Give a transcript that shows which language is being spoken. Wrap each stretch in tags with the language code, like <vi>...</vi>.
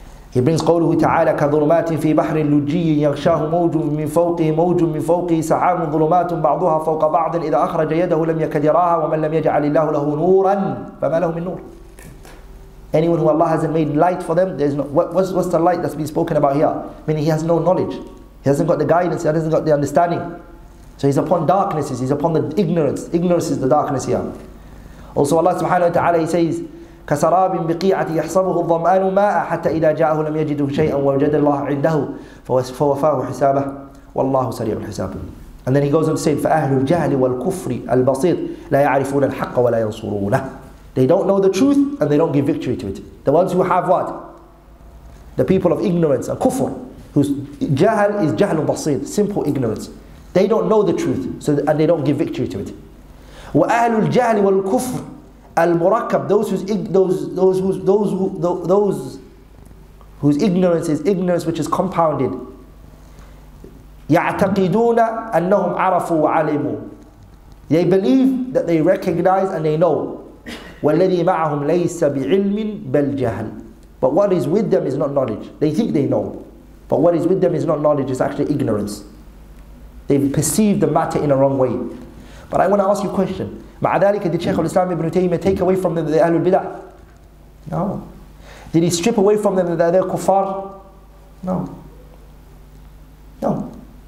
<en>He brings</en> <ar>قوله تعالى كظلمات في بحر اللجي يغشاه موج من فوقه موج من فوقه سحاب ظلمات بعضها فوق بعض إذا أخرج يده لم يكد يراها ومن لم يجعل الله له نورا فما له من نور.</ar> <en>Anyone who Allah hasn't made light for them, there's no, what's the light that's being spoken about here? Meaning he has no knowledge. He hasn't got the guidance, he hasn't got the understanding. So he's upon darknesses, he's upon the ignorance. Ignorance is the darkness here. Also Allah subhanahu wa ta'ala, he says,</en> <ar>كسراب بقيعة يحسبه الظمآن ماء حتى إذا جاءه لم يجده شيئا ووجد الله عنده فوفاه حسابه والله سريع الحساب.</ar> <en>And then he goes on to say,</en> <ar>فأهل الجهل والكفر البسيط لا يعرفون الحق ولا ينصرونه.</ar> <en>They don't know the truth and they don't give victory to it. The ones who have what? The people of ignorance are kufr. Whose jahal is jahal basir, simple ignorance. They don't know the truth, so and they don't give victory to it.</en> <ar>Wa ahlul jahl wal kufr al murakkab,</ar> <en>those whose ignorance is ignorance which is compounded.</en> <ar>يعتقدون أنهم عرفوا وعلموا.</ar> <en>They believe that they recognize and they know.</en> <ar>والذي معهم ليس بعلم بل جهل.</ar> <en>But what is with them is not knowledge. They think they know, but what is with them is not knowledge. It's actually ignorance. They perceive the matter in a wrong way. But I want to ask you a question.</en> <ar>مع ذلك</ar> <en>did Shaykh al-Islam ibn Taymiyyah take away from them the Ahlul Bid'ah? No. Did he strip away from them that they're kuffar? No. No.</en>